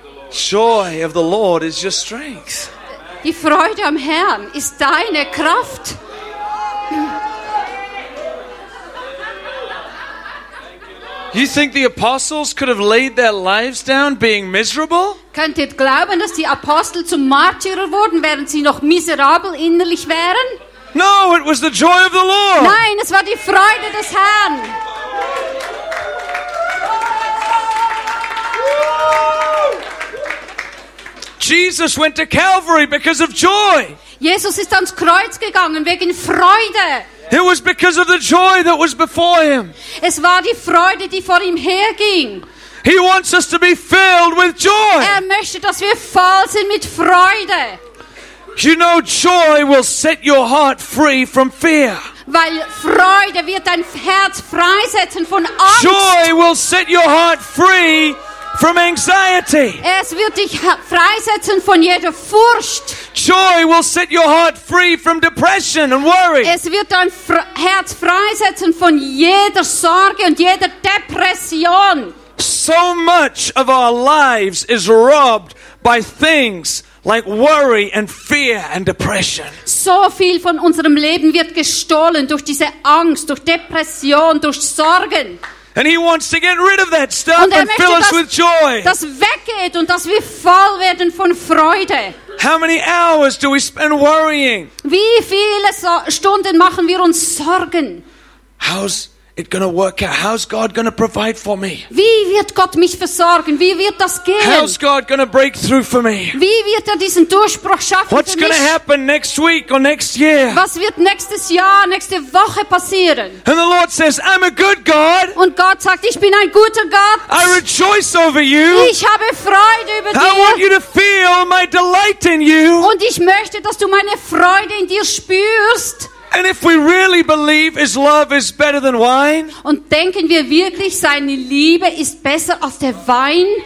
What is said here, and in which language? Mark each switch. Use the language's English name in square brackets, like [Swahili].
[English] Joy of the Lord is your strength. [German] Die Freude am Herrn ist deine Kraft. [English] You think the apostles could have laid their lives down being miserable? [German] Könnt ihr glauben, dass die Apostel zum Märtyrer wurden, während sie noch miserabel innerlich wären? [English] No, it was the joy of the Lord. [German] Nein, es war die Freude des Herrn. [English] Jesus went to Calvary because of joy. [German] Jesus ist ans Kreuz gegangen wegen Freude. [English] It was because of the joy that was before him. [German] Es war die Freude, die vor ihm herging. [English] He wants us to be filled with joy. [German] Er möchte, dass wir voll sind mit Freude. [English] You know, joy will set your heart free from fear. [German] Weil Freude wird dein Herz freisetzen von Angst. [English] Joy will set your heart free from anxiety. [German] Es wird dich freisetzen von jeder Furcht. [English] Joy will set your heart free from depression and worry. [German] Es wird dein Herz freisetzen von jeder Sorge und jeder Depression. [English] So much of our lives is robbed by things like worry and fear and depression. [German] So viel von unserem Leben wird gestohlen durch diese Angst, durch Depression, durch Sorgen. [English] And he wants to get rid of that stuff and fill us with joy. [German] Das weggeht und dass wir voll werden von Freude. [English] How many hours do we spend worrying? [German] Wie viele Stunden machen wir uns Sorgen? [English] How's it gonna work out? How's God gonna provide for me? [German] Wie wird Gott mich versorgen? Wie wird das gehen? [English] How's God gonna break through for me? [German] Wie wird diesen Durchbruch schaffen für mich? [English] What's gonna happen next week or next year? [German] Was wird nächstes Jahr, nächste Woche passieren? [English] And the Lord says, I'm a good God. [German] Und Gott sagt, ich bin ein guter Gott. [English] I rejoice over you. [German] Ich habe Freude über dir. [English] I want you to feel my delight in you. [German] Und ich möchte, dass du meine Freude in dir spürst. [English] And if we really believe his love is better than wine? [German] Und denken wir wirklich, seine Liebe ist besser als der Wein?